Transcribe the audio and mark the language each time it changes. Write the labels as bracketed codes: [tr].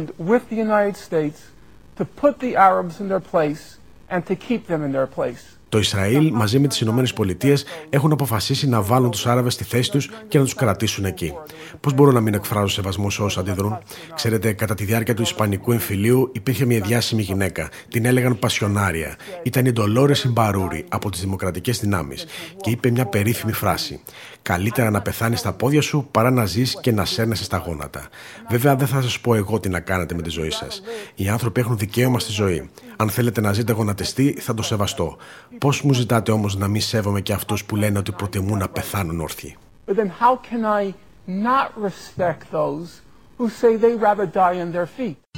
[en] With the United States to put the Arabs in their place and to keep them in their place. [el] Το Ισραήλ μαζί με τις Ηνωμένες Πολιτείες έχουν αποφασίσει να βάλουν τους Άραβες στη θέση τους και να τους κρατήσουν εκεί. Πώς μπορώ να μην εκφράζω σεβασμό σε όσους αντιδρούν? Ξέρετε, κατά τη διάρκεια του Ισπανικού εμφυλίου υπήρχε μια διάσημη γυναίκα. Την έλεγαν Πασιονάρια. Ήταν η Ντολόρες Ιμπαρούρη από τις Δημοκρατικές Δυνάμεις και είπε μια περίφημη φράση. καλύτερα να πεθάνεις στα πόδια σου παρά να ζεις και να σέρνεσαι στα γόνατα. Βέβαια, δεν θα σας πω εγώ τι να κάνετε με τη ζωή σας. Οι άνθρωποι έχουν δικαίωμα στη ζωή. Αν θέλετε να ζείτε γονατιστή, θα το σεβαστώ. Πώς μου ζητάτε όμως να μη σέβομαι και αυτούς που λένε ότι προτιμούν να πεθάνουν όρθιοι? [en] But then how can I not respect those who say they rather die on their feet?